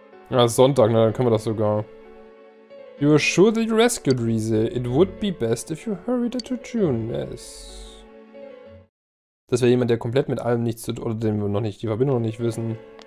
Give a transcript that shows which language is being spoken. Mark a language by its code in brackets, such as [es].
[de] Ja, Sonntag, na, dann können wir das sogar... [en] You are sure that you rescued Reese. It would be best if you hurried to Juness. [de] Das wäre jemand, der komplett mit allem nichts zu tun, oder den wir noch nicht, die Verbindung noch nicht wissen.